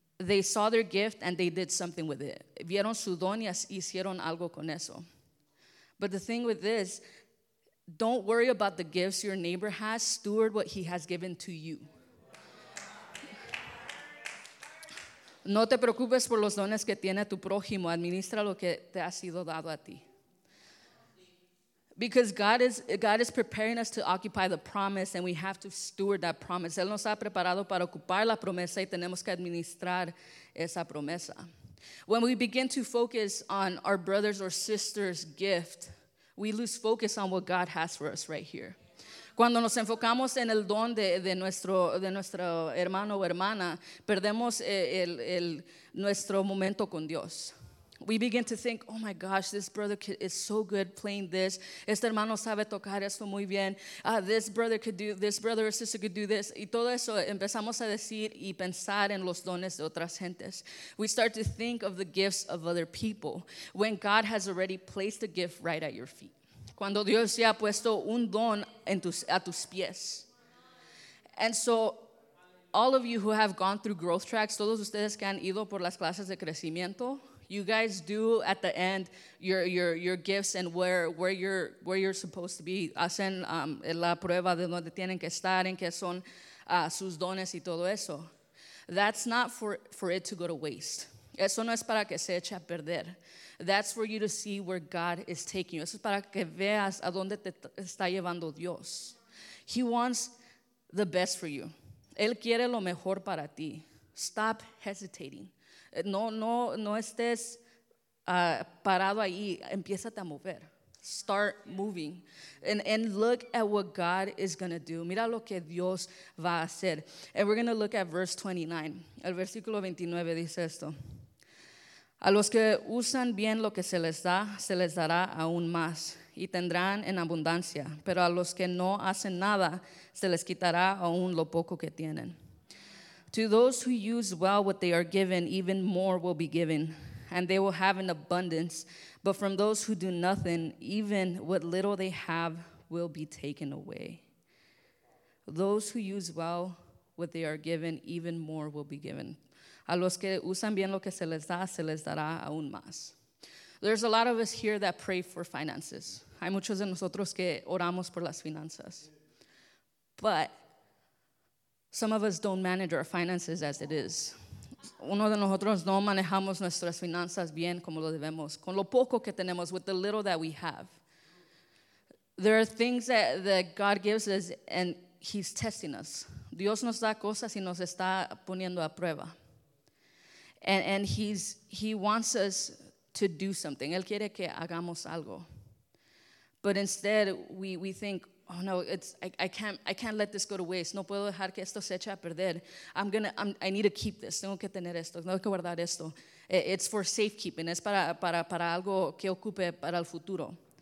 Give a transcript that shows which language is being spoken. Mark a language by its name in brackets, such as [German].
[English] They saw their gift and they did something with it. [Spanish] Vieron su don y hicieron algo con eso. [English] But the thing with this, don't worry about the gifts your neighbor has. Steward what he has given to you. [Spanish] No te preocupes por los dones que tiene tu prójimo. Administra lo que te ha sido dado a ti. [English] Because God is preparing us to occupy the promise, and we have to steward that promise. [Spanish] Él nos ha preparado para ocupar la promesa, y tenemos que administrar esa promesa. [English] When we begin to focus on our brother's or sister's gift, we lose focus on what God has for us right here. [Spanish] Cuando nos enfocamos en el don de nuestro hermano o hermana, perdemos nuestro momento con Dios. [English] We begin to think, oh my gosh, this brother is so good playing this. [Spanish] Este hermano sabe tocar esto muy bien. [English] This brother or sister could do this. [Spanish] Y todo eso empezamos a decir y pensar en los dones de otras gentes. [English] We start to think of the gifts of other people when God has already placed a gift right at your feet. [Spanish] Cuando Dios ya ha puesto un don a tus pies. [English] And so all of you who have gone through growth tracks, [Spanish] todos ustedes que han ido por las clases de crecimiento, [English] You guys do at the end your gifts and where you're supposed to be. [Spanish] Hacen la prueba de donde tienen que estar, en qué son sus dones y todo eso. [English] That's not for it to go to waste. [Spanish] Eso no es para que se eche a perder. [English] That's for you to see where God is taking you. [Spanish] Eso es para que veas a dónde te está llevando Dios. [English] He wants the best for you. [Spanish] Él quiere lo mejor para ti. [English] Stop hesitating. [Spanish] No estés parado ahí. Empieza a mover. [English] Start moving. And look at what God is going to do. [Spanish] Mira lo que Dios va a hacer. [English] And we're going to look at verse 29. [Spanish] El versículo 29 dice esto. A los que usan bien lo que se les dará aún más y tendrán en abundancia. Pero a los que no hacen nada, se les quitará aún lo poco que tienen. [English] To those who use well what they are given, even more will be given, and they will have an abundance. But from those who do nothing, even what little they have will be taken away. Those who use well what they are given, even more will be given. [Spanish] A los que usan bien lo que se les dará aún más. [English] There's a lot of us here that pray for finances. [Spanish] Hay muchos de nosotros que oramos por las finanzas. [English] But some of us don't manage our finances as it is. [Spanish] Uno de nosotros no manejamos nuestras finanzas bien como lo debemos. Con lo poco que tenemos, [English] with the little that we have. There are things that God gives us and he's testing us. [Spanish] Dios nos da cosas y nos está poniendo a prueba. [English] And he wants us to do something. [Spanish] Él quiere que hagamos algo. [English] But instead, we think, oh no, I can't let this go to waste. [Spanish] No puedo dejar que esto se eche a perder. [English] I need to keep this. [Spanish] Tengo que tener esto. Tengo que guardar esto. [English] It's for safekeeping. [Spanish] Es para algo que ocupe para el futuro.